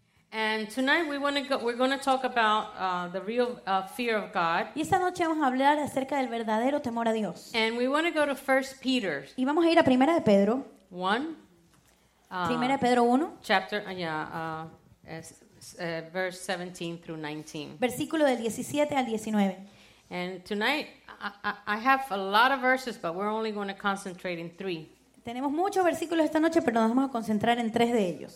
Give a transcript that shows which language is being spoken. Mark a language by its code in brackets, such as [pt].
[en] And tonight we're going to talk about the real fear of God. [es] Y esta noche vamos a hablar acerca del verdadero temor a Dios. [en] And we want to go to 1 Peter. [es] Y vamos a ir a Primera de Pedro. [en] 1. [es] Primera de Pedro 1. [en] Chapter, verse 17 through 19. [es] Versículo del 17 al 19. [en] And tonight I have a lot of verses, but we're only going to concentrate in 3. [es] Tenemos muchos versículos esta noche, pero nos vamos a concentrar en 3 de ellos.